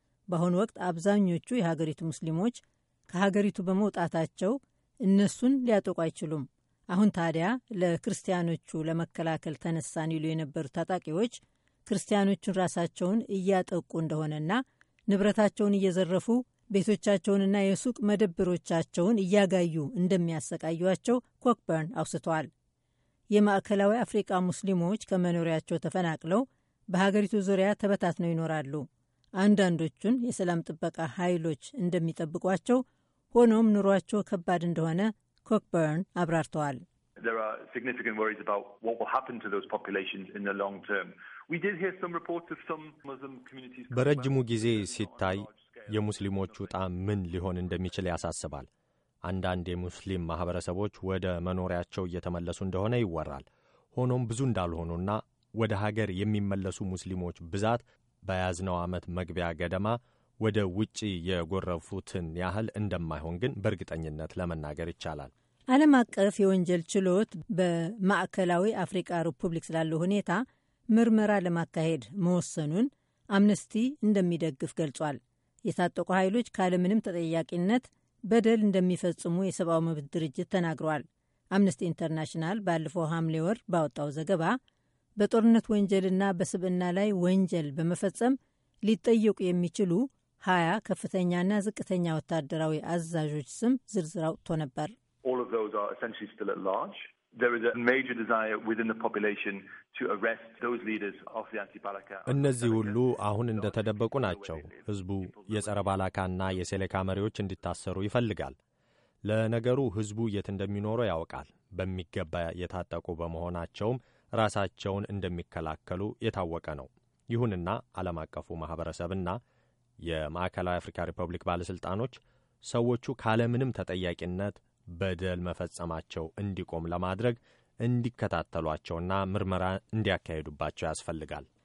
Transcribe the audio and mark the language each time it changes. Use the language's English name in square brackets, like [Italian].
[Amharic] በአሁን ወቅት አብዛኞቹ የሀገሪቱ ሙስሊሞች ከሀገሪቱ በመውጣታቸው እነሱን ሊያጠቁ አይችሉም። አሁን ታዲያ ለክርስቲያኖቹ ለመከላከል ተነሳን ይሉ የነበሩ ታጣቂዎች ክርስቲያኖቹን ራሳቸውን እያጠቁ እንደሆነና ንብረታቸውን እየዘረፉ ቤቶቻቸውንና የሱቅ መደብሮቻቸውን እያጋዩ እንደሚያሰቃዩቸው ኮክበርን አውስተዋል። የማዕከላዊ አፍሪቃ ሙስሊሞች ከመኖሪያቸው ተፈናቅለው በሀገሪቱ ዙሪያ ተበታትነው ይኖራሉ። አንዳንዶቹን የሰላም ጥበቃ ኃይሎች እንደሚጠብቋቸው፣ ሆኖም ኑሯቸው ከባድ እንደሆነ ኮክበርን አብራርተዋል። [English] There are significant worries about what will happen to those populations in the long term. We did hear some reports of some Muslim communities. [Amharic] በረጅሙ ጊዜ ሲታይ የሙስሊሞች ጣ ምን ሊሆን እንደሚችል ያሳስባል። አንዳንድ የሙስሊም ማህበረሰቦች ወደ መኖሪያቸው እየተመለሱ እንደሆነ ይወራል። ሆኖም ብዙ እንዳልሆኑና ወደ ሀገር የሚመለሱ ሙስሊሞች ብዛት በያዝነው ዓመት መግቢያ ገደማ ወደ ውጪ የጎረፉትን ያህል እንደማይሆን ግን በእርግጠኝነት ለመናገር ይቻላል። ዓለም አቀፍ የወንጀል ችሎት በማዕከላዊ አፍሪካ ሪፑብሊክ ስላለው ሁኔታ ምርመራ ለማካሄድ መወሰኑን አምነስቲ እንደሚደግፍ ገልጿል። የታጠቁ ኃይሎች ካለምንም ተጠያቂነት በደል እንደሚፈጽሙ የሰብአዊ መብት ድርጅት ተናግሯል። አምነስቲ ኢንተርናሽናል ባለፈው ሐምሌ ወር ባወጣው ዘገባ በጦርነት ወንጀልና በስብዕና ላይ ወንጀል በመፈጸም ሊጠየቁ የሚችሉ 20 ከፍተኛና ዝቅተኛ ወታደራዊ አዛዦች ስም ዝርዝር አውጥቶ ነበር። [English] All of those are essentially still at large. There is a major desire within the population to arrest those leaders of the anti-balaka. [Amharic] እነዚህ ሁሉ አሁን እንደተደበቁ ናቸው። ህዝቡ የጸረ ባላካና የሴሌካ መሪዎች እንዲታሰሩ ይፈልጋል። ለነገሩ ህዝቡ የት እንደሚኖር ያውቃል። በሚገባ የታጠቁ በመሆናቸውም ራሳቸውን እንደሚከላከሉ የታወቀ ነው። ይሁንና ዓለም አቀፉ ማህበረሰብና የማዕከላዊ አፍሪካ ሪፐብሊክ ባለስልጣኖች ሰዎቹ ካለምንም ተጠያቂነት በደል መፈጸማቸው እንዲቆም ለማድረግ እንዲከታተሏቸውና ምርመራ እንዲያካሄዱባቸው ያስፈልጋል።